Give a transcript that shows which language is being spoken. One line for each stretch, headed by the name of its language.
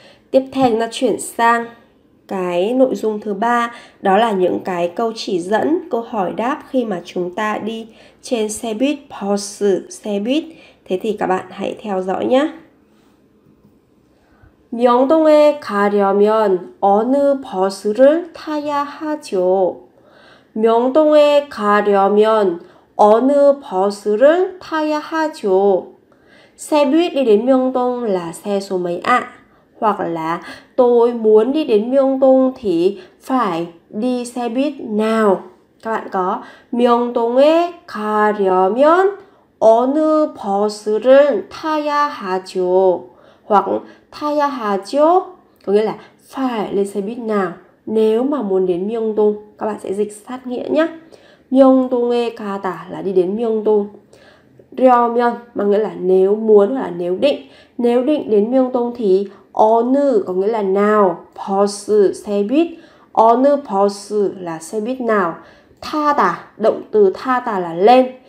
Vietnamese: Tiếp theo chúng ta chuyển sang cái nội dung thứ ba, đó là những cái câu chỉ dẫn, câu hỏi đáp khi mà chúng ta đi trên xe buýt, post xe buýt. Thế thì các bạn hãy theo dõi nhé.
Korean: 명동에 가려면 어느 버스를 타야 하죠? 명동에 가려면 어느 버스를 타야 하죠?
Vietnamese: Xe buýt đi đến Myeongdong là xe số mấy ạ? À? Hoặc là tôi muốn đi đến Myeongdong thì phải đi xe buýt nào? Các bạn có
Korean: 명동에 가려면 어느 버스를 타야 하죠?
Vietnamese: Hoặc
Korean: 타야 하죠?
Vietnamese: Có nghĩa là phải lên xe buýt nào? Nếu mà muốn đến Myeongdong, các bạn sẽ dịch sát nghĩa nhé. Myeongdong-e gada là đi đến Myeongdong. Ryeomyeon mà nghĩa là nếu muốn hoặc là nếu định. Nếu định đến Myeongdong thì 어느 có nghĩa là nào, 버스 xe buýt,
Korean: 어느 버스
Vietnamese: là xe buýt nào, 타다 động từ 타다 là lên.